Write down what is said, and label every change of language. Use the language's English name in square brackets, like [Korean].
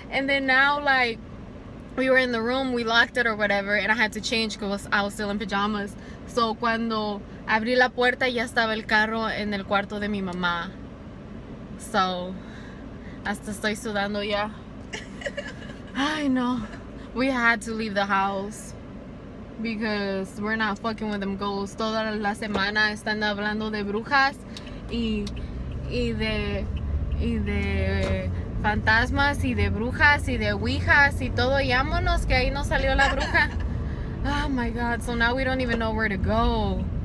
[English] And then now, like, we were in the room, we locked it or whatever, and I had to change because I was still in pajamas. [Spanish] So cuando abrí la puerta ya estaba el carro en el cuarto de mi mamá. So hasta estoy sudando ya. Ay, no. [English] we had to leave the house because we're not fucking with them ghosts. [Spanish] Toda la semana están hablando de brujas y de fantasmas y de brujas y de ouijas y todo. Y vámonos, que ahí no salió la bruja. [English] Oh my god, so now we don't even know where to go.